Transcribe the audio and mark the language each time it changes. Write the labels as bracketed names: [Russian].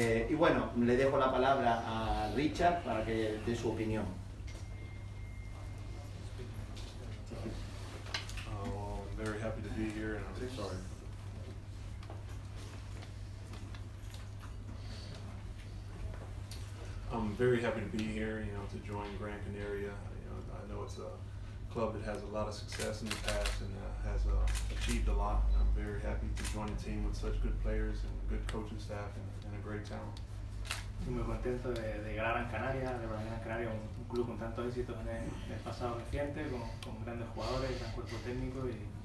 [Spanish] Y bueno, le dejo la palabra a Richard para que dé su opinión. [English] Very happy to be here, and I'm sorry. I'm very happy to be here, you know, to join Gran Canaria. You know, I know it's a club that has a lot of success in the past and has achieved a lot, and I'm very happy to join a team with such good players and good coaching staff and a great talent. [Spanish] Muy contento de llegar a Gran Canaria, de volver a Gran Canaria, un club con tanto éxito en el pasado reciente, con grandes jugadores, gran cuerpo técnico y